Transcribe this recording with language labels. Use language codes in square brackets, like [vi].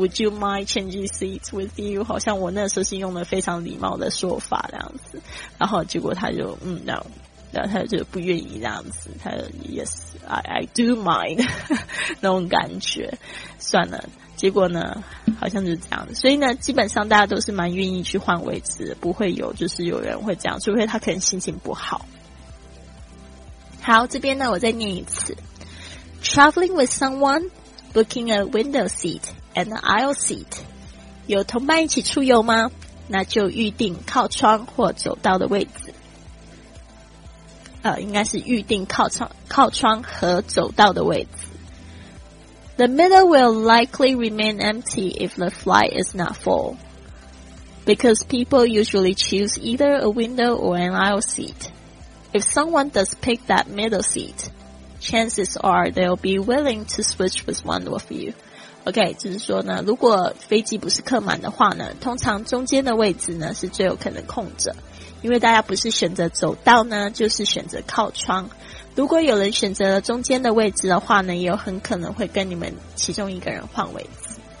[en] Would you mind changing seats with you? [zh] 好像我那时候是用了非常礼貌的说法这样子，然后结果他就 [en] no, [zh] 然后他就不愿意这样子，他就 [en] yes, I do mind [zh] 那种感觉，算了。结果呢好像就是这样，所以呢基本上大家都是蛮愿意去换位置，不会有就是有人会这样，除非他可能心情不好。好，这边呢我再念一次。 [en] Traveling with someone, booking a window seat and an aisle seat. [zh] 有同伴一起出游吗？那就预定靠窗或走道的位置。应该是预定靠窗和走道的位置。 [en] The middle will likely remain empty if the flight is not full, because people usually choose either a window or an aisle seat. If someone does pick that middle seat, chances are they'll be willing to switch with one of you. [zh] OK, 就是说呢，如果飞机不是客满的话呢，通常中间的位置呢是最有可能空着，因为大家不是选择走道呢，就是选择靠窗。如果有人选择了中间的位置的话呢，也有很可能会跟你们其中一个人换位置。